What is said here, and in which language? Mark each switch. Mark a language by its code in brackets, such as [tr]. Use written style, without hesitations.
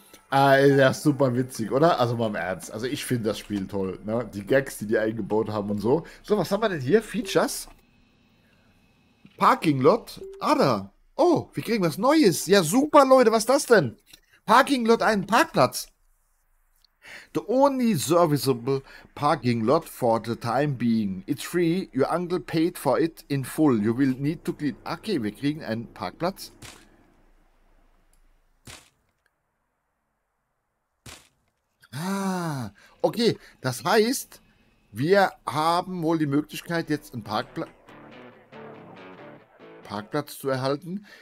[de] Ja, super witzig, oder? Also mal im Ernst. Also ich finde das Spiel toll. Ne? Die Gags, die eingebaut haben und so. So, was haben wir denn hier? Features? Parking Lot? Ah, da. Oh, wir kriegen was Neues. Ja, super, Leute, was ist das denn? Parking Lot, einen Parkplatz. [en] The only serviceable parking lot for the time being. It's free. Your uncle paid for it in full. You will need to clean. [de] Okay, wir kriegen einen Parkplatz. Ah, okay. Das heißt, wir haben wohl die Möglichkeit, jetzt einen Parkplatz zu erhalten.